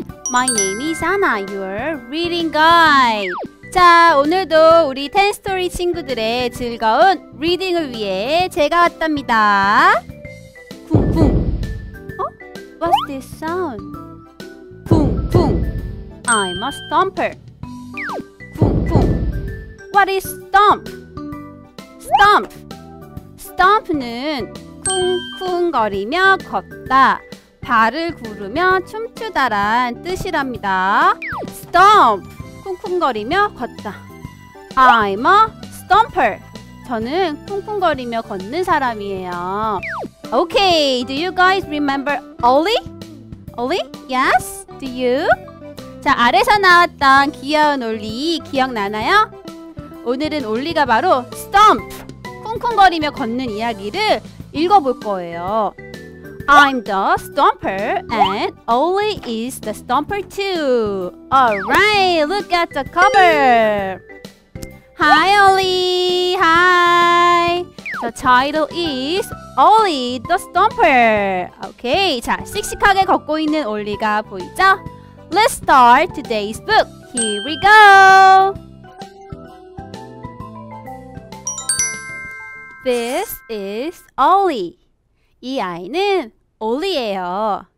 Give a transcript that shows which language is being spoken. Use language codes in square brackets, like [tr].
[en] My name is Anna, your reading guide. [ko] 자, 오늘도 우리 텐스토리 친구들의 즐거운 리딩을 위해 제가 왔답니다. [en] 쿵쿵. 어? What's this sound? 쿵쿵. I'm a stomper. 쿵쿵. What is stomp? Stomp. [ko] Stomp는 쿵쿵거리며 걷다. 발을 구르며 춤추다란 뜻이랍니다. [en] Stomp! [ko] 쿵쿵거리며 걷다. [en] I'm a stomper. [ko] 저는 쿵쿵거리며 걷는 사람이에요. [en] Okay, do you guys remember Ollie? Ollie? Yes? Do you? [ko] 자, 아래서 나왔던 귀여운 올리 기억나나요? 오늘은 올리가 바로 stomp! 쿵쿵거리며 걷는 이야기를 읽어볼 거예요. [en] I'm the stomper and Ollie is the stomper too. Alright, look at the cover. Hi Ollie, hi. The title is Ollie the stomper. [ko] Okay, 자, 씩씩하게 걷고 있는 올리가 보이죠? [en] Let's start today's book. Here we go. This is Ollie. [ko] 이 아이는 올리예요.